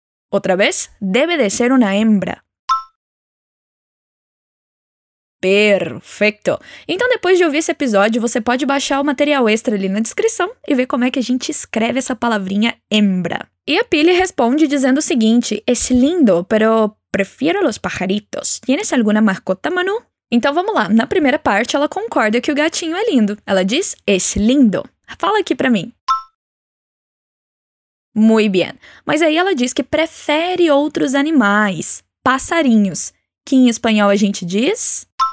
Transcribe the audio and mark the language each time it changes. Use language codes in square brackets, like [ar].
[pt] Outra vez. [es] Debe de ser una hembra. [pt] Perfeito! Então, depois de ouvir esse episódio, você pode baixar o material extra ali na descrição e ver como é que a gente escreve essa palavrinha hembra. E a Pili responde dizendo o seguinte, [es] Es lindo, pero prefiero los pajaritos. ¿Tienes alguna mascota, Manu? [pt] Então, vamos lá. Na primeira parte, ela concorda que o gatinho é lindo. Ela diz, [es] Es lindo. [pt] Fala aqui pra mim. [es] Muy bien. [pt] Mas aí ela diz que prefere outros animais, passarinhos, que em espanhol a gente diz...